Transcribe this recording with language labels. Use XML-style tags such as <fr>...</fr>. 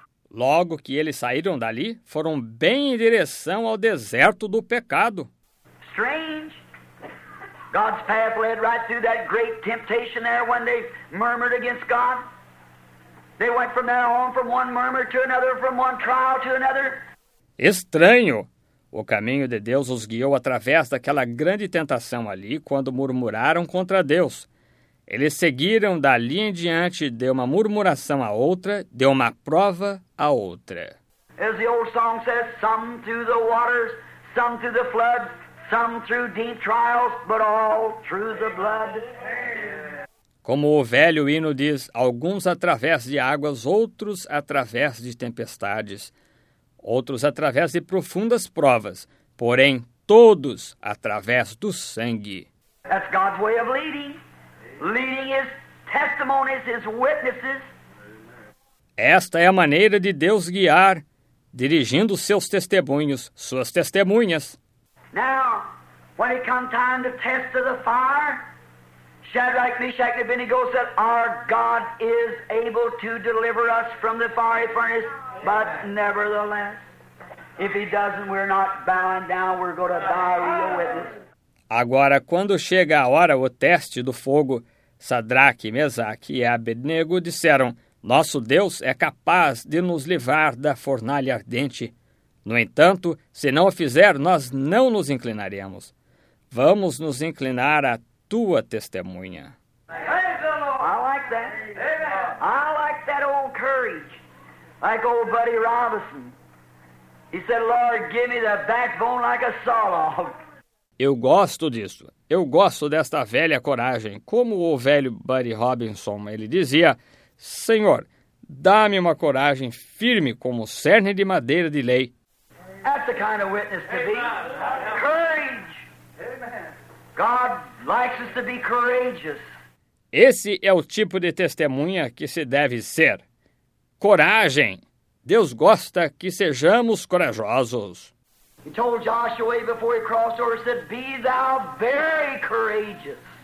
<pt>Logo que eles saíram dali, foram bem em direção ao deserto do pecado.</pt> <en>Strange. God's path led right through that great temptation there when they murmured against God. They went from there on from one murmur to another, from one trial to another.</en> <pt>Estranho. O caminho de Deus os guiou através daquela grande tentação ali quando murmuraram contra Deus. Eles seguiram dali em diante de uma murmuração a outra, de uma prova a outra.</pt> <en>As the old song says, some through the waters, some through the floods, some through deep trials, but all through the blood.</en> <pt>Como o velho hino diz, alguns através de águas, outros através de tempestades, outros através de profundas provas, porém todos através do sangue.</pt> <en>That's God's way of leading. Leading his testimonies, his witnesses.</en> <pt>Esta é a maneira de Deus guiar, dirigindo seus testemunhos, suas testemunhas.</pt> <en>Now, when it comes time to test of the fire, Shadrach, Meshach, and Abednego said, our God is able to deliver us from the fiery furnace, but nevertheless, if he doesn't, we're not bowing down, we're going to die real witness.</en> <pt>Agora, quando chega a hora, o teste do fogo, Sadraque, Mesaque e Abednego disseram, nosso Deus é capaz de nos livrar da fornalha ardente. No entanto, se não o fizer, nós não nos inclinaremos. Vamos nos inclinar à tua testemunha.</pt> <en>I like that. I like that old courage. Like old Buddy Robinson. He said, Lord, give me the backbone like a sawlog.</en> <pt>Eu gosto disso. Eu gosto desta velha coragem. Como o velho Buddy Robinson, ele dizia, Senhor, dá-me uma coragem firme como cerne de madeira de lei.</pt> <en>That's the kind of witness to be. Courage. God likes us to be courageous.</en> <pt>Esse é o tipo de testemunha que se deve ser. Coragem. Deus gosta que sejamos corajosos.</pt> <en>He told Joshua before he crossed over, he said, "Be thou very courageous.</en>